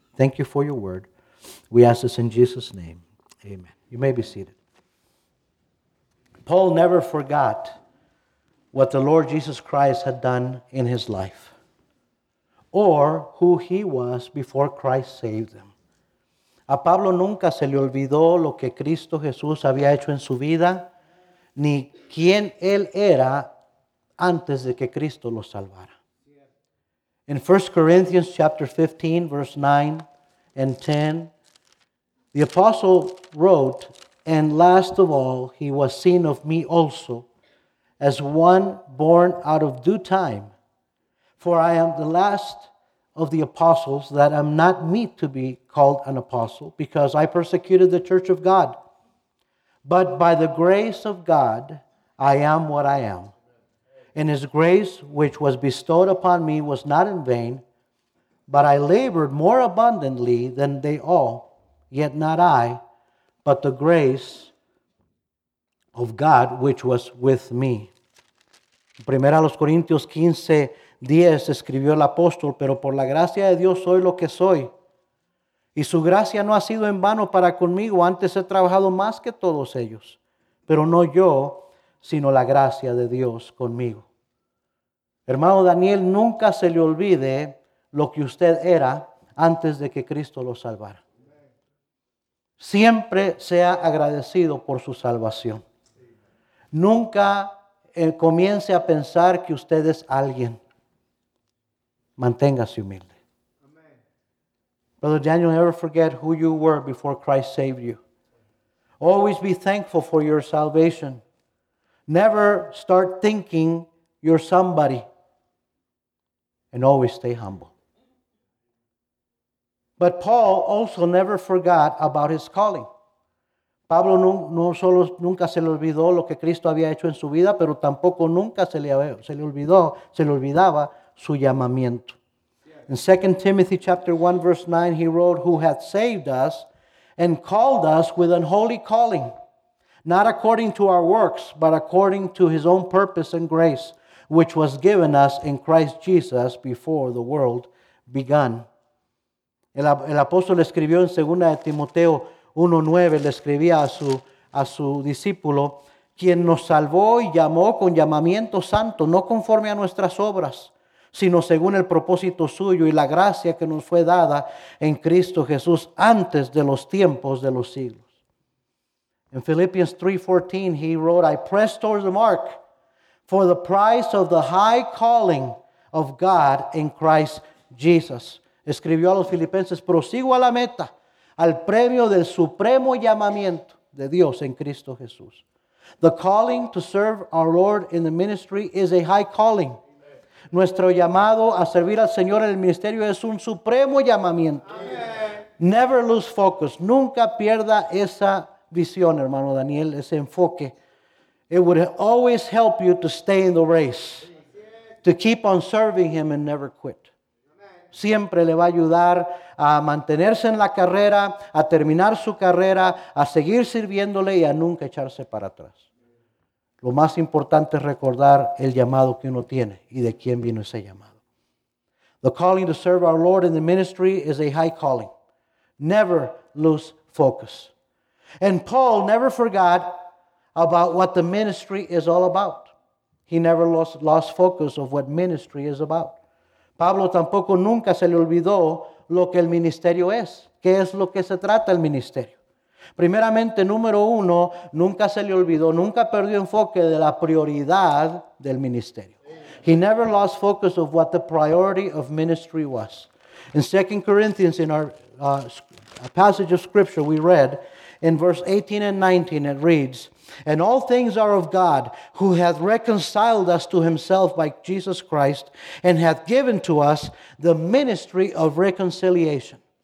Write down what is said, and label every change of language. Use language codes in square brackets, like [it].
[en] Thank you for your word. We ask this in Jesus' name. Amen. You may be seated. Paul never forgot what the Lord Jesus Christ had done in his life, or who he was before Christ saved him. [es] A Pablo nunca se le olvidó lo que Cristo Jesús había hecho en su vida, ni quién él era antes de que Cristo lo salvara. [en] In 1 Corinthians chapter 15, verse 9 and 10, the apostle wrote, "And last of all, he was seen of me also, as one born out of due time. For I am the last of the apostles, that am not meet to be called an apostle, because I persecuted the church of God. But by the grace of God, I am what I am. And his grace, which was bestowed upon me, was not in vain, but I labored more abundantly than they all, yet not I, but the grace of God, which was with me." [es] Primera los Corintios 15, 10, escribió el apóstol, "Pero por la gracia de Dios soy lo que soy, y su gracia no ha sido en vano para conmigo, antes he trabajado más que todos ellos, pero no yo, sino la gracia de Dios conmigo." Hermano Daniel, nunca se le olvide lo que usted era antes de que Cristo lo salvara. Siempre sea agradecido por su salvación. Nunca comience a pensar que usted es alguien. Manténgase humilde. [en] Brother Daniel, never forget who you were before Christ saved you. Always be thankful for your salvation. Never start thinking you're somebody. And always stay humble. But Paul also never forgot about his calling. [es] Pablo no solo nunca se le olvidó lo que Cristo había hecho en su vida, pero tampoco nunca se le olvidaba su llamamiento. [en] In 2 Timothy chapter 1 verse 9 he wrote, "Who hath saved us and called us with an holy calling, not according to our works, but according to his own purpose and grace, which was given us in Christ Jesus before the world began." [es] El apóstol escribió en 2 Timoteo 1:9, le escribía a su discípulo, "quien nos salvó y llamó con llamamiento santo, no conforme a nuestras obras, sino según el propósito suyo y la gracia que nos fue dada en Cristo Jesús antes de los tiempos de los siglos." [en] In Philippians 3:14, he wrote, "I press towards the mark for the price of the high calling of God in Christ Jesus." [es] Escribió a los filipenses, "prosigo a la meta, al premio del supremo llamamiento de Dios en Cristo Jesús." [en] The calling to serve our Lord in the ministry is a high calling. Amen. [es] Nuestro llamado a servir al Señor en el ministerio es un supremo llamamiento. Amen. [en] Never lose focus. [es] Nunca pierda esa visión, hermano Daniel, ese enfoque. [en] It would always help you to stay in the race, to keep on serving Him and never quit. [es] Siempre le va a ayudar a mantenerse en la carrera, a terminar su carrera, a seguir sirviéndole y a nunca echarse para atrás. Lo más importante es recordar el llamado que uno tiene y de quién vino ese llamado. [en] The calling to serve our Lord in the ministry is a high calling. Never lose focus. And Paul never forgot about what the ministry is all about. He never lost focus of what ministry is about. [es] Pablo tampoco nunca se le olvidó lo que el ministerio es. ¿Qué es lo que se trata el ministerio? Primeramente, número uno, nunca se le olvidó, nunca perdió enfoque de la prioridad del ministerio. [en] He never lost focus of what the priority of ministry was. In 2 Corinthians, in our passage of scripture we read, in verse 18 and 19, it reads, "And all things are of God, who hath reconciled us to himself by Jesus Christ, and hath given to us the ministry of reconciliation.